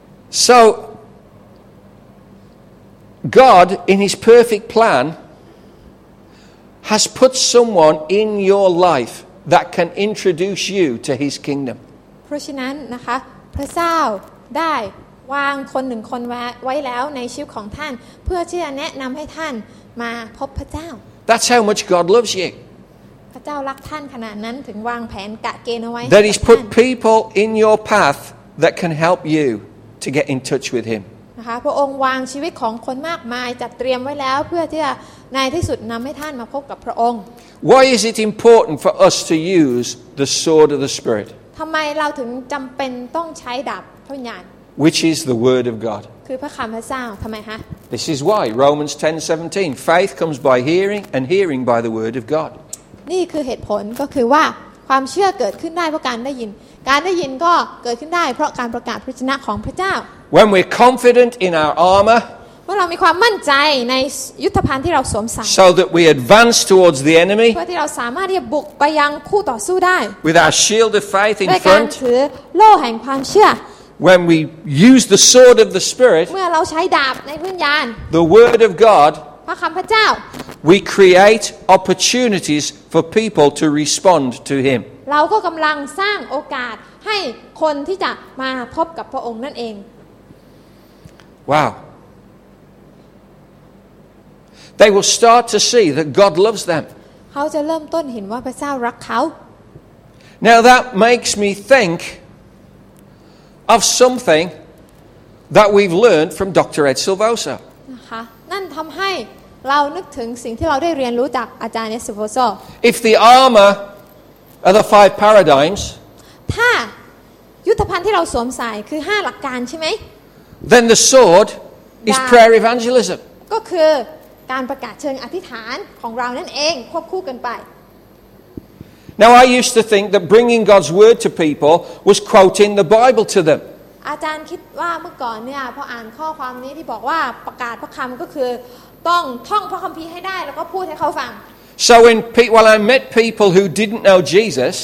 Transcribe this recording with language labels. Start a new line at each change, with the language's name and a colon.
English: So, God, in His perfect plan, has put someone in your life that can introduce you to His kingdom.
Thai: เพราะฉะนั้นนะคะพระเจ้าได้วางคนหนึ่งคนไว้แล้วในชีวิตของท่านเพื่อที่จะแนะนำให้ท่านมาพบพระเจ้า
English: That's how much God loves you.
Thai: พระเจ้ารักท่านขนาดนั้นถึงวางแผนกะเกณฑ์เอาไว้
English: That He's put people in your path that can help you. To get in touch with him.
Thai: นะคะพระองค์วางชีวิตของคนมากมายจัดเตรียมไว้แล้วเพื่อที่จะในที่สุดนำให้ท่านมาพบกับพระองค์
English: Why is it important for us to use the sword of the spirit?
Thai: ทำไมเราถึงจำเป็นต้องใช้ดาบพระวิญญาณ
English: Which is the word of God.
Thai: คือพระคำพระเจ้าทำไมฮะ
English: This is why Romans 10:17 faith comes by hearing and hearing by the word of God.
Thai: นี่คือเหตุผลก็คือว่าความเชื่อเกิดขึ้นได้เพราะการได้ยินการได้ยินก็เกิดขึ้นได้เพราะการประกาศพระชนะของพระเจ้า
English: When we're confident in our armor
Thai: เมื่อเรามีความมั่นใจในยุทธภัณฑ์ที่เราสวมใส่
English: So that we advance towards the enemy
Thai: เพื่อที่เราสามารถที่จะบุกไปยังคู่ต่อสู้ได้
English: With our shield of faith in
Thai: front ด้วยการถือโล่แห่งความเชื่อ
English: When we use the sword of the spirit
Thai: เมื่อเราใช้ดาบในพระวิญญาณ
English: The word of God
Thai: พระคำพระเจ้า
English: We create opportunities for people to respond to him
Thai: เราก็กำลังสร้างโอกาสให้คนที่จะมาพบกับพระองค์นั่นเอง ว้าว
English: They will start to see that God loves them.
Thai: เขาจะเริ่มต้นเห็นว่าพระเจ้ารักเขา
English: Now that makes me think of something that we've learned from Dr. Ed Silvosa.
Thai: นั่นทำให้เรานึกถึงสิ่งที่เราได้เรียนรู้จากอาจารย์เอ็ดซิลโวซา
English: If the armor are the five paradigms,
Thai: ถ้ายุทธภัณฑ์ที่เราสวมใส่คือ5หลักการใช่ไหม
English: Then the sword is prayer evangelism.
Thai: ก็คือการประกาศเชิงอธิษฐานของเรานั่นเองควบคู่กันไป
English: Now I used to think that bringing God's word to people was quoting the Bible to them.
Thai: อาจารย์คิดว่าเมื่อก่อนเนี่ยพออ่านข้อความนี้ที่บอกว่าประกาศพระคำก็คือต้องท่องพระคัมภีร์ให้ได้แล้วก็พูดให้เขาฟัง
English: So when people I met people who didn't know Jesus.